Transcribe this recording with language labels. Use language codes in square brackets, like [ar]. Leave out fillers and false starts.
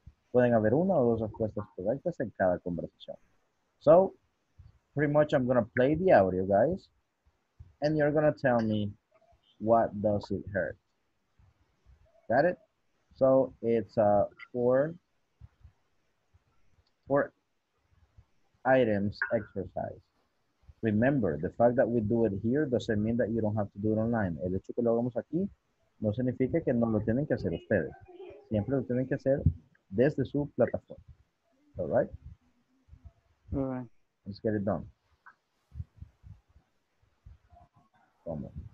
[es] Pueden haber una o dos respuestas correctas en cada conversación. [en] So, pretty much I'm going to play the audio, guys. And you're going to tell me what does it hurt. Got it? So, it's four items exercise. Remember, the fact that we do it here doesn't mean that you don't have to do it online. [es] El hecho que lo hagamos aquí no significa que no lo tienen que hacer ustedes. Siempre lo tienen que hacer desde su plataforma. [en] All right? All right. Let's get it done. [es] Vamos.